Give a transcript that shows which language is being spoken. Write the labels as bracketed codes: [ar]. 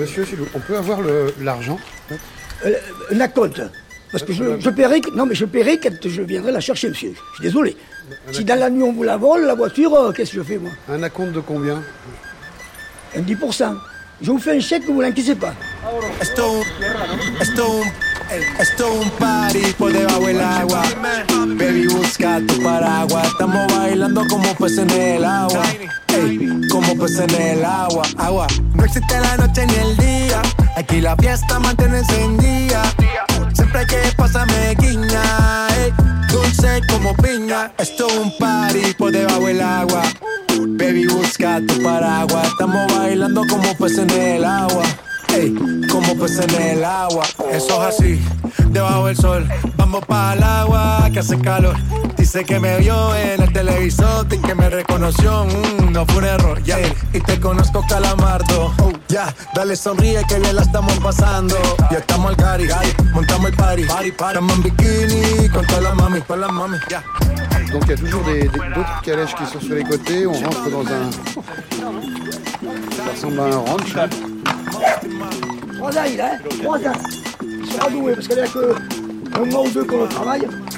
[fr] Monsieur, on peut avoir l'argent? La compte. Parce que je paierai. Non, mais je paierai quand je viendrai la chercher, monsieur. Je suis désolé. Si dans la nuit on vous la vole, la voiture, qu'est-ce que je fais, moi? Un acompte de combien? Un 10%. Je vous fais un chèque que vous ne l'encaissez pas. [es] Esto es un party por debajo del agua. Baby, busca tu paraguas. Estamos bailando como peces en el agua. Ey, como peces en el agua. Agua. No existe la noche ni el día. Aquí la fiesta mantiene encendida. Siempre que pasa me guiña. Dulce como piña. Esto es un party por debajo del agua. Baby, busca tu paraguas. Estamos bailando como peces en el agua. Ey, como peces en el agua. Eso es así, debajo del sol. Vamos pa'l agua, que hace calor. Dice que me vio en el televisor. Que me reconoció, no fue un error. Yeah. Ey, y te conozco, calamardo. Yeah. Dale, sonríe, que bien la estamos pasando. Ya estamos al gari, montamos el party. Estamos en bikini con toda la mami. Con la mami, yeah. [fr] Donc il y a toujours d'autres calèches qui sont sur les côtés. On rentre dans un... Ça ressemble à un ranch. Trois ailes, hein? Trois ailes. C'est radoué, parce qu'il n'y a qu'un mois ou deux qu'on travaille.